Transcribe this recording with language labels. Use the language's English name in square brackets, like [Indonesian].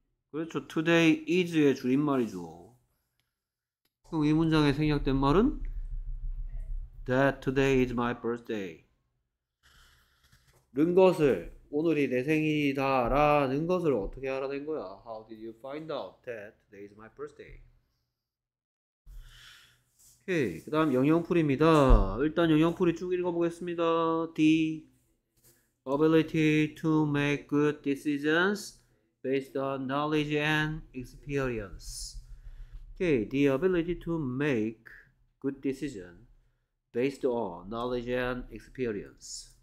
[Korean] 그렇죠. Today is의 줄임말이죠. 그럼 이 문장에 생략된 말은 [English] That today is my birthday. [Korean] 는 것을 오늘이 내 생일이다라는 것을 어떻게 알아낸 거야? [English] How did you find out that today is my birthday? [Korean] 오케이, 그 다음 영영풀입니다. 일단 영영풀이 쭉 읽어보겠습니다. [English] The ability to make good decisions based on knowledge and experience. 오케이, the ability to make good decision based on knowledge and experience.